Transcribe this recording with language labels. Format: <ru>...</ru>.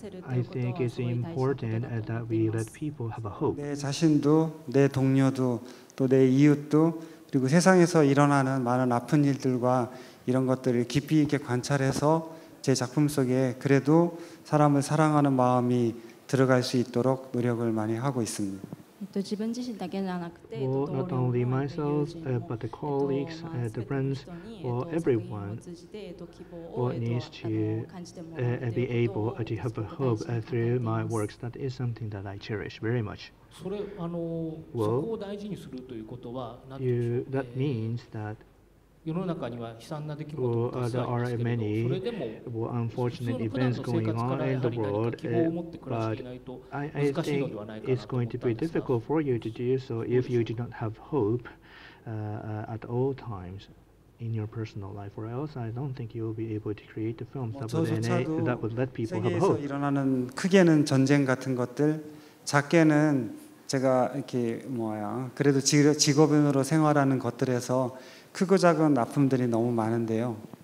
<en>I think it's important that we let people have a hope.</en> <ko>내 자신도, 내 동료도, 또 내 이웃도, 그리고 세상에서 일어나는 많은 아픈 일들과 이런 것들을 깊이 있게 관찰해서 제 작품 속에 그래도 사람을 사랑하는 마음이 들어갈 수 있도록 노력을 많이 하고 있습니다.</ko> <en>Well, not only myself, but the colleagues, the friends, or everyone needs to be able to have a hope through my works. That is something that I cherish very much. Well, that means that there are many unfortunate events going on in the world, but I think it's going to be difficult for you to do so if you do not have hope at all times. in your personal life, or else I don't think you'll be able to create the films that would let people have hope.</en> <ko>세계에서 일어나는 크게는 전쟁 같은 것들, 작게는 제가 이렇게 뭐야 그래도 직업인으로 생활하는 것들에서 크고 작은 아픔들이 너무 많은데요.</ko>